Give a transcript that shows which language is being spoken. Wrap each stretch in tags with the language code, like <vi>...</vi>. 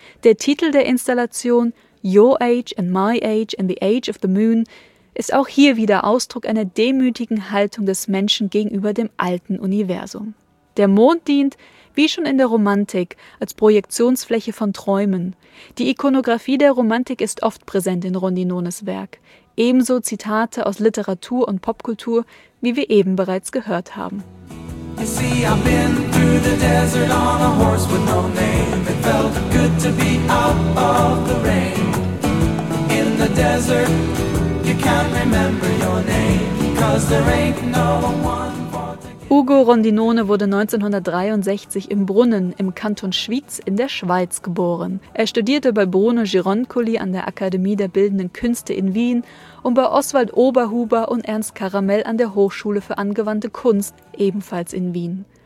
<de>Der Titel der Installation »Your Age and My Age and the Age of the Moon« ist auch hier wieder Ausdruck einer demütigen Haltung des Menschen gegenüber dem alten Universum. Der Mond dient, wie schon in der Romantik, als Projektionsfläche von Träumen. Die Ikonografie der Romantik ist oft präsent in Rondinones Werk. Ebenso Zitate aus Literatur und Popkultur, wie wir eben bereits gehört haben.</de> <en>You see, I've been through the desert on a horse with no name. It felt good to be out of the rain. In the desert, you can't remember your name, 'cause there ain't no one.</en> <de>Ugo Rondinone wurde 1963 im Brunnen im Kanton Schwyz in der Schweiz geboren. Er studierte bei Bruno Gironcoli an der Akademie der Bildenden Künste in Wien und bei Oswald Oberhuber und Ernst Caramel an der Hochschule für angewandte Kunst, ebenfalls in Wien.</de>